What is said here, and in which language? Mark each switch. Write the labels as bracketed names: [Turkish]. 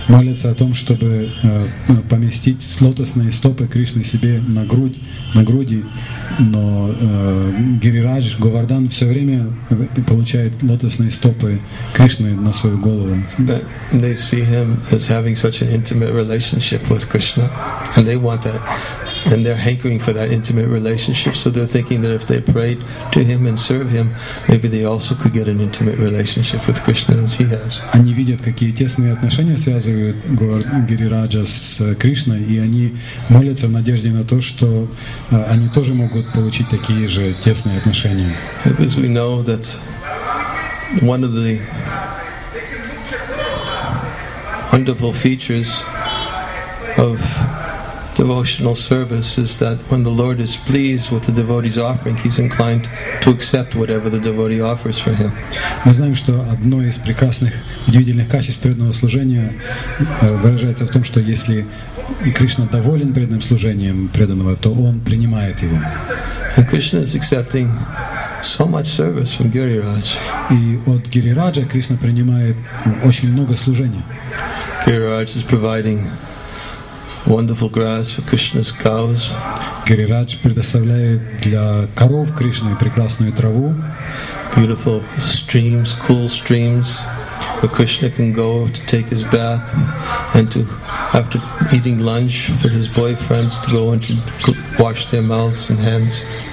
[Russian] Молится о том, чтобы поместить лотосные стопы Кришны себе на грудь, на груди, но Гирирадж Говардан все время получает лотосные стопы Кришны на свою голову. [English] They see him as having such an intimate relationship with Krishna, and they want that. And they're hankering for that intimate relationship, so they're thinking that if they prayed to him and serve him, maybe they also could get an intimate relationship with Krishna as he has. [Russian] Они видят, какие тесные отношения связывают Гирираджа с Кришной, и они молятся в надежде на то, что они тоже могут получить такие же тесные отношения. [English] As we know that one of the wonderful features of devotional service is that when the Lord is pleased with the devotee's offering, he's inclined to accept whatever the devotee offers for him. [Russian] Мы знаем, что одно из прекрасных, удивительных качеств преданного служения выражается в том, что если Кришна доволен преданным служением преданного, то он принимает его. [English] And Krishna is accepting so much service from Гирирадж. [Russian] И от Гирираджа Кришна принимает очень много служения. [English] Гирирадж is providing wonderful grass for Krishna's cows. [Russian] Гирирадж предоставляет для коров Кришны прекрасную траву. [English] Beautiful streams, cool streams, where Krishna can go to take his bath and to, after eating lunch with his boyfriends, to go and to wash their mouths and hands.